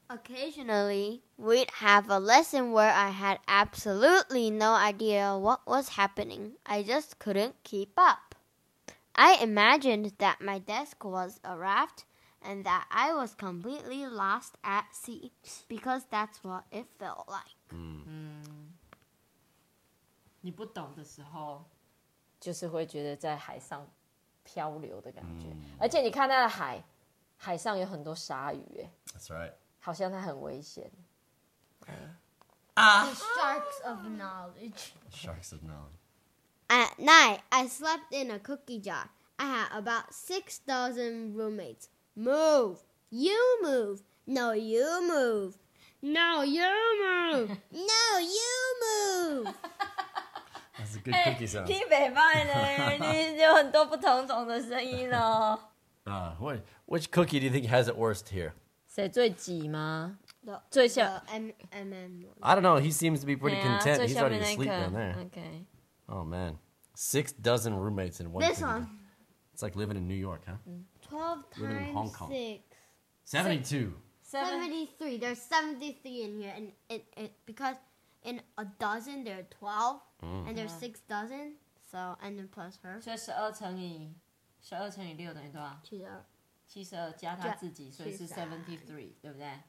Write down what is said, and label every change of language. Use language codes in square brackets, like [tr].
[en] Occasionally, we'd have a lesson where I had absolutely no idea what was happening. I just couldn't keep up. I imagined that my desk was a raft and that I was completely lost at sea because that's what it felt like. [zh] 你不懂的时候就是会觉得在海上漂流的感觉。而且你看它的海，海上有很多鲨鱼耶。 [en] That's right. [zh] 好像它很危险。 [en] The sharks of knowledge. Sharks of knowledge. At night, I slept in a cookie jar. I had about 6,000 roommates. Move! You move! No, you move! No, you move! No, you move! That's a good cookie sound. [zh] 听北方的人，有很多不同种的声音哦。 [en] Which cookie do you think has it worst here? [zh] 谁最挤吗？最小 [en] I don't know. He seems to be pretty content. He's already asleep down there. Okay. Oh man, 6 dozen roommates in one. This one. It's like living in New York, huh? 12 times 6. 72. 73. There's 73 in here, and it because in a dozen there are 12, and there's 6 dozen, so and then plus her. [zh] 所以12乘以六等于多少？ 72 加他自己，所以是 73，对不对？